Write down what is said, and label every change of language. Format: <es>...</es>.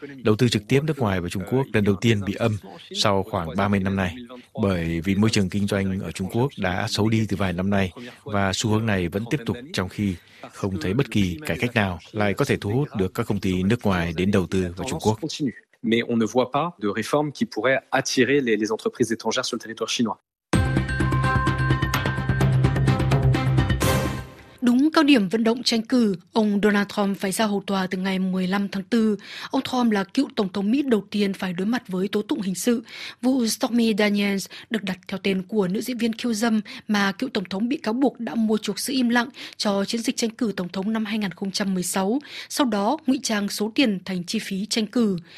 <vi>Đầu tư trực tiếp nước ngoài vào Trung Quốc lần đầu tiên bị âm sau khoảng 30 năm nay, bởi vì môi trường kinh doanh ở Trung Quốc đã xấu đi từ vài năm nay và xu hướng này vẫn tiếp tục trong khi không thấy bất kỳ cải cách nào lại có thể thu hút được các công ty nước ngoài đến đầu tư vào Trung Quốc.</vi> <fr>Mais on ne voit pas de réforme qui pourrait attirer les entreprises étrangères sur le territoire chinois.</fr> <vi>Đúng cao điểm vận động tranh cử, ông Donald Trump phải ra hầu tòa từ ngày 15 tháng 4. Ông Trump là cựu Tổng thống Mỹ đầu tiên phải đối mặt với tố tụng hình sự. Vụ Stormy Daniels được đặt theo tên của nữ diễn viên khiêu dâm mà cựu Tổng thống bị cáo buộc đã mua chuộc sự im lặng cho chiến dịch tranh cử Tổng thống năm 2016, sau đó ngụy trang số tiền thành chi phí tranh cử.</vi>